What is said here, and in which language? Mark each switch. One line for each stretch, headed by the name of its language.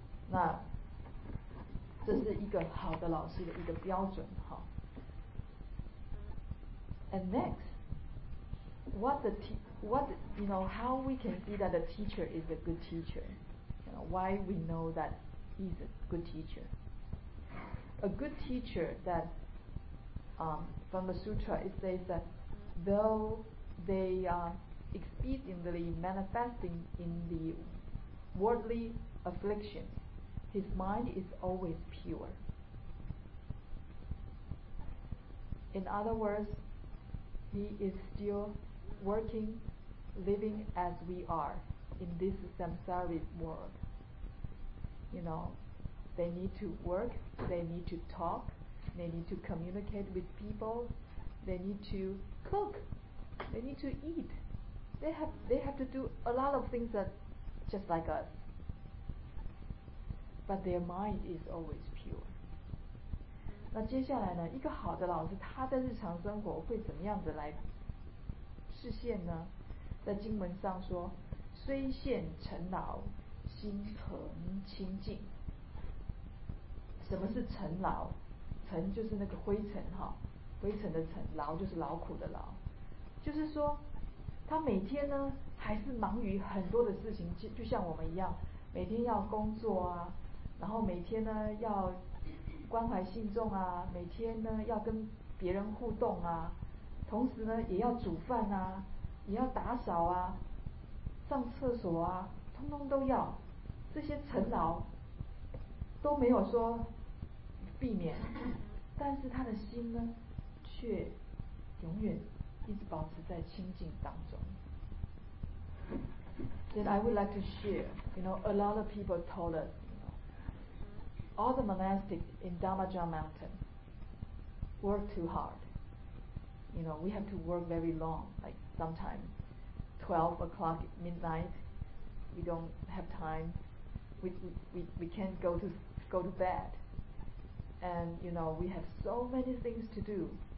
Chinese: 那这是一个好的老师的一个标准。
English: And nextHow we can see that a teacher is a good teacher? You know, why we know that he's a good teacher? A good teacher that, from the sutra, it says that though they are exceedingly manifesting in the worldly affliction, his mind is always pure. In other words, he is stillworking, living as we are in this samsaric world. You know, they need to work, they need to talk, they need to communicate with people, they need to cook, they need to eat. They have to do a lot of things that just like us. But their mind is always pure.
Chinese: 那接下来呢，一个好的老师他在日常生活会怎么样子来视线呢？在经文上说，虽现尘劳，心恒清净。什么是尘劳？尘就是那个灰尘哈，灰尘的尘，劳就是劳苦的劳，就是说他每天呢还是忙于很多的事情，就像我们一样，每天要工作啊，然后每天呢要关怀信众啊，每天呢要跟别人互动啊，同时呢也要煮饭啊，也要打扫啊，上厕所啊，通通都要，这些尘劳都没有说避免，但是他的心呢却永远一直保持在清净当中。
English: Then I would like to share, you know, a lot of people told us, you know, all the monastics in Dhammajang Mountain work too hard. You know, we have to work very long, like sometimes 12 o'clock midnight, we don't have time, we can't go to bed, and you know, we have so many things to do.